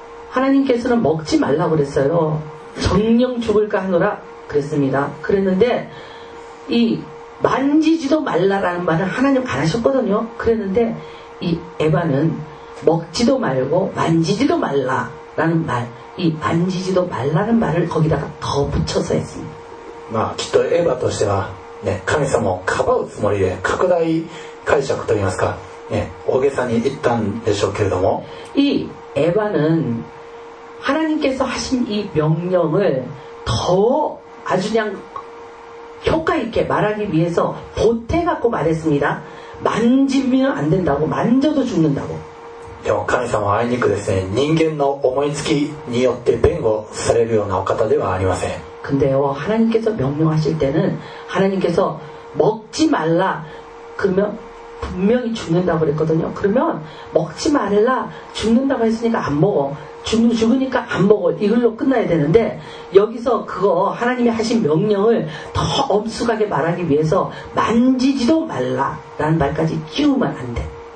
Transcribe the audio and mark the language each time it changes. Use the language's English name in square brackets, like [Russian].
[Korean] 하나님께서는먹지말라고그랬어요정녕죽을까하노라그랬습니다그랬는데이만지지도말라라는말은하나님안하셨거든요그랬는데이에바는먹지도말고만지지도말라라는말이만지지도말라는말을거기다가더붙여서했습니다 [Japanese] まあきっとエバとしては、ね、神様をかばうつもりで拡大解釈といいますか、ね、大げさに言ったんでしょうけれども [Korean] 이에바는하나님께서하신이명령을 더 아주 그냥 효과 있게 말하기 위해서 보태 갖고 말했습니다. 만지면 안 된다고, 만져도 죽는다고. [Japanese] 하나님은 아이니크 人間の思いつきによって弁護されるようなお方ではありません。 [Korean] 근데요, 하나님께서 명령하실 때는 하나님께서 먹지 말라 그러면 분명히 죽는다고 그랬거든요. 그러면 먹지 말라 죽는다고 했으니까 안 먹어. 죽으니까 안 먹어. 이걸로 끝나야 되는데 여기서 그거 하나님이 하신 명령을 더 엄숙하게 말하기 위해서 만지지도 말라라는 말까지 끼우면 안 돼.